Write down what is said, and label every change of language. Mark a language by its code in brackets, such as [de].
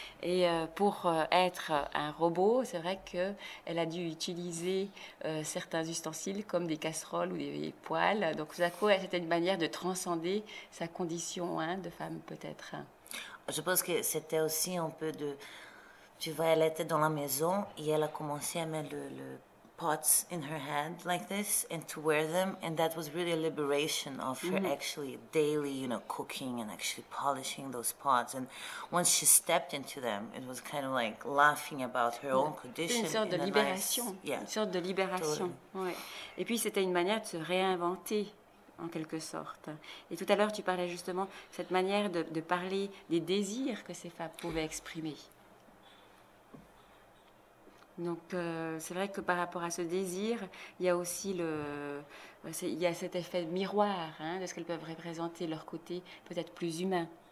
[fr] Et pour être un robot, c'est vrai qu'elle a dû utiliser certains ustensiles comme des casseroles ou des poêles. Donc, tout à coup, c'était une manière de transcender sa condition de femme, peut-être. Je pense que c'était aussi un peu de... Tu vois, elle était dans la maison et elle a commencé à mettre le [en] pots in her hand like this and to wear them. And that was really a liberation of her actually daily, you know, cooking and actually polishing those pots. And once she stepped into them, it was kind of like laughing about her own condition. [fr] Une sorte de libération. Une sorte de libération. Et puis c'était une manière de se réinventer, en quelque sorte. Et tout à l'heure, tu parlais justement de cette manière de parler des désirs que ces femmes pouvaient exprimer. Donc, c'est vrai que par rapport à ce désir, il y a aussi il y a cet effet miroir de ce qu'elles peuvent représenter, leur côté peut-être plus humain.